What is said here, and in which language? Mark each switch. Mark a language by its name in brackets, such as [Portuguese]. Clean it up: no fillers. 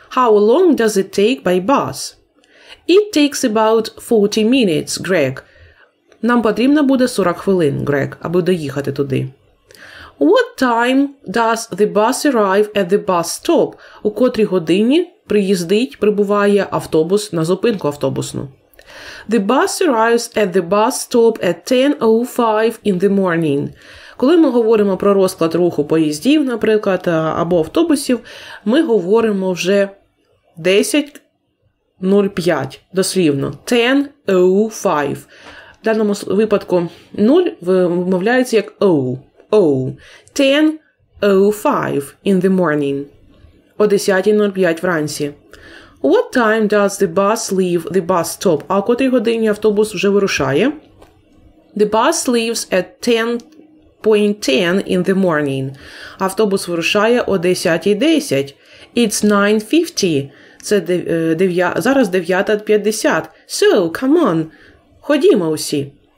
[English] How long does it take by bus? It takes about 40 minutes, Greg. [Ukrainian] Нам потрібно буде 40 хвилин, Greg, аби доїхати туди. [English] What time does the bus arrive at the bus stop? [Ukrainian] У котрій годині приїздить, прибуває автобус на зупинку автобусну. [English] The bus arrives at the bus stop at 10:05 in the morning. [Ukrainian] Коли ми говоримо про розклад руху поїздів, наприклад, або автобусів, ми говоримо вже 10:05, дослівно. 10:05. В даному випадку 0 вимовляється як o. [English] 10:05 in the morning. [Ukrainian] О 10:05 вранці. [English] What time does the bus leave the bus stop? [Ukrainian] А о котрій годині автобус вже вирушає? [English] The bus leaves at 10:10 in the morning. [Ukrainian] Автобус вирушає о 10:10. [English] It's 9:50. [Ukrainian] Це зараз 9:50. [English] So, come on. [Ukrainian] Ходімо усі.